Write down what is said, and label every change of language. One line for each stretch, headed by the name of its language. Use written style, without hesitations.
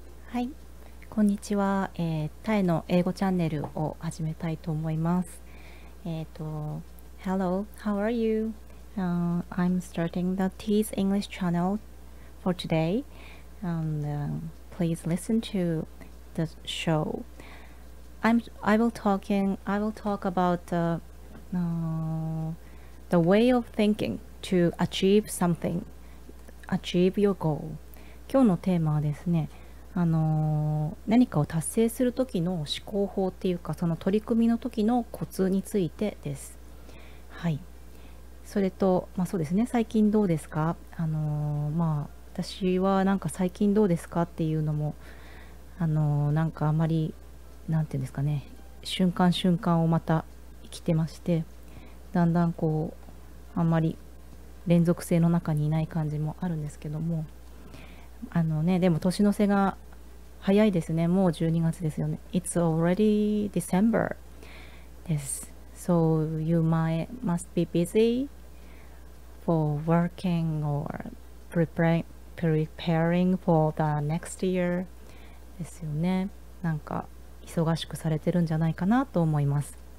Japanese: はい、こんにちは、タイの英語チャンネルを始めたいと思います。
English: Hello, how are you? I'm starting the Tea's English channel for today, and please listen to the show. I will talk about the way of thinking to achieve your goal.
Japanese: 今日のテーマはですね、何かを達成する時の思考法っていうか、その取り組みの時のコツについてです。はい。それと、そうですね、最近どうですか？私は最近どうですかっていうのも、あまり、なんていうんですかね、瞬間瞬間をまた生きてまして、だんだんあんまり連続性の中にいない感じもあるんですけども、でも年の瀬が早いですね。もう12月ですよね。
English: It's already December
Japanese: です。
English: So you might must be busy for working or preparing for the next year
Japanese: ですよね。忙しくされてるんじゃないかなと思います。